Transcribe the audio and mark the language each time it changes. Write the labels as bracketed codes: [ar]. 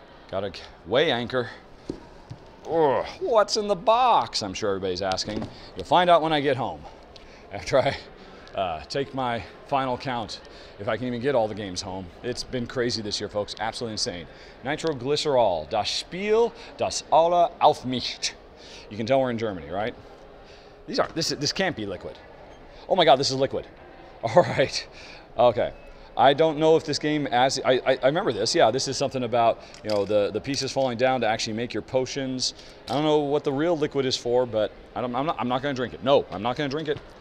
[en] Got a weigh anchor. Ugh, what's in the box? I'm sure everybody's asking. You'll find out when I get home. After I take my final count, if I can even get all the games home. It's been crazy this year, folks. Absolutely insane. Nitroglycerol. [de] Das Spiel, das alle aufmischt. [en] You can tell we're in Germany, right? This can't be liquid. Oh my God, this is liquid. All right. Okay. I don't know if this game as I remember this. Yeah, this is something about, you know, the pieces falling down to actually make your potions. I don't know what the real liquid is for, but I'm not going to drink it. No, I'm not going to drink it.